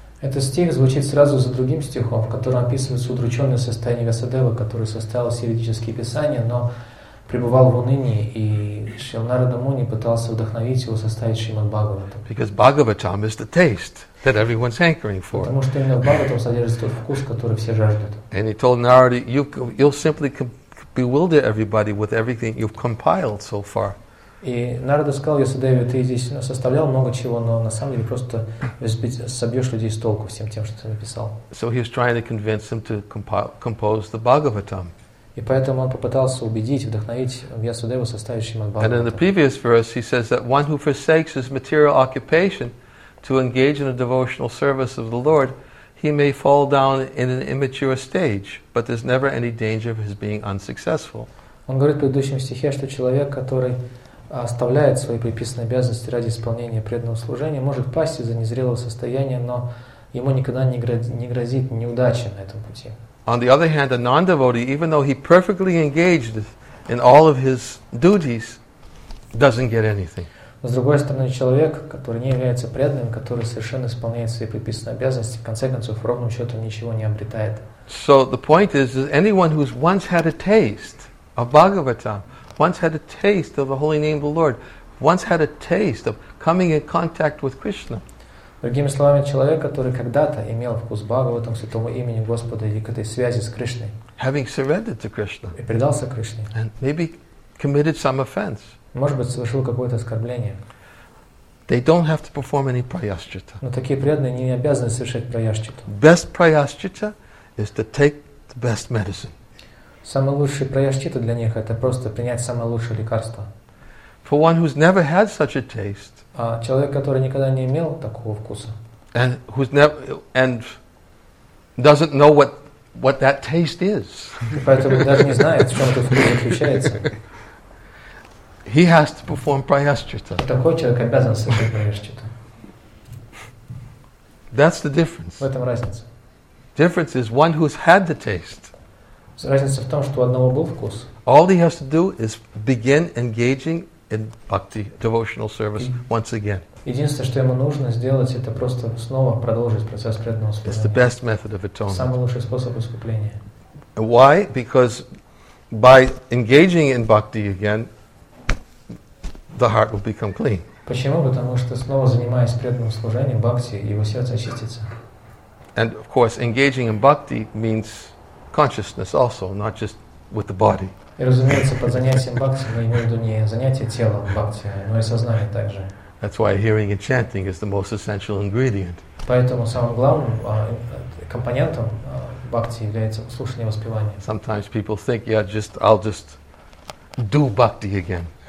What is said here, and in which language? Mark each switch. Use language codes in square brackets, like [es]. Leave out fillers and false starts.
[ru] Этот стих звучит сразу за другим стихом, в котором описывается удрученное состояние Вьясадевы, который составил все ведические писания, но пребывал в унынии, и Шрила Нарада Муни пытался вдохновить его составить Шримад Бхагаватам. [en] Because Bhagavatam is the taste that everyone's hankering for. [ru] Потому что именно в Бхагаватам содержится тот вкус, который все жаждут. [en] And he told Narada, you'll simply bewilder everybody with everything you've compiled so far. [ru] И Нарада сказал Вьясадеве, ты здесь составлял много чего, но на самом деле просто собьешь людей с толку всем тем, что ты написал. [en] So he was trying to convince him to compose the Bhagavatam. [ru] И поэтому он попытался убедить, вдохновить Вьясадеву составить Шримад Бхагаватам. [en] And in the previous verse he says that one who forsakes his material occupation to engage in a devotional service of the Lord, he may fall down in an immature stage, but there's never any danger of his being unsuccessful. [ru] Он говорит в предыдущем стихе, что человек, который оставляет свои приписанные обязанности ради исполнения преданного служения, может пасть из-за незрелого состояния, но ему никогда не грозит неудача на этом пути. [en] On the other hand, a non-devotee, even though he perfectly engaged in all of his duties, doesn't get anything. [ru] С другой стороны, человек, который не является преданным, который совершенно исполняет свои приписанные обязанности, в конце концов, ровным счетом ничего не обретает. [en] So the point is that anyone who's once had a taste of Bhagavatam, once had a taste of the holy name of the Lord, once had a taste of coming in contact with Krishna. [ru] Другими словами, человек, который когда-то имел вкус Бхагаватам, святому имени Господа или к этой связи с Кришной. [en] Having surrendered to Krishna. [ru] И предался Кришне. [en] And maybe committed some offense. [ru] Может быть, совершил какое-то оскорбление. [en] They don't have to perform any prayaschita. [ru] Но такие преданные не обязаны совершать прайашчиту. [en] Best prayaschita is to take the best medicine. [ru] Самый лучший прайашчита для них — это просто принять самое лучшее лекарство. [en] For one who's never had such a taste. [ru] А человек, который никогда не имел такого вкуса. [en] And who's never and doesn't know what that taste is. [ru] Поэтому даже не знает, в чем этот вкус заключается. [en] He has to perform prayaschita. [ru] Такой человек обязан совершить прайашчита. [en] That's the difference. [ru] В этом разница. [en] Difference is one who's had the taste. [ru] Разница в том, что у одного был вкус. [en] All he has to do is begin engaging in bhakti, devotional service, once again. [ru] Единственное, что ему нужно сделать, это просто снова продолжить процесс преданного служения. [en] It's the best method of atonement. [ru] Самый лучший способ искупления. [en] Why? Because by engaging in bhakti again, the heart will become clean. [ru] Почему? Потому что снова занимаясь преданным служением, бхакти, его сердце очистится. [en] And of course, engaging in bhakti means consciousness also, not just with the body. [ru] И разумеется, под занятием бхакти мы имеем в виду не занятие телом бхакти, но и сознание также. [en] That's why hearing and chanting is the most essential ingredient. [ru] Поэтому самым главным компонентом бхакти является слушание и воспевание. [en] Sometimes people think, yeah, just I'll just do bhakti again.